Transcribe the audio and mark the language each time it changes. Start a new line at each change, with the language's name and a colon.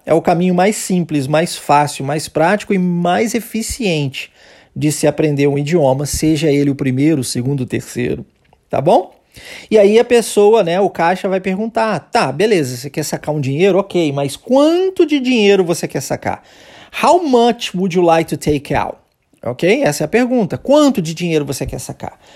Portuguese: É o caminho mais simples, mais fácil, mais prático e mais eficiente de se aprender um idioma, seja ele o primeiro, o segundo, o terceiro, tá bom? E aí a pessoa, né, o caixa vai perguntar, tá, beleza, você quer sacar um dinheiro? Ok, mas quanto de dinheiro você quer sacar?
English: How much would you like to take out?
Portuguese: Ok, essa é a pergunta, quanto de dinheiro você quer sacar?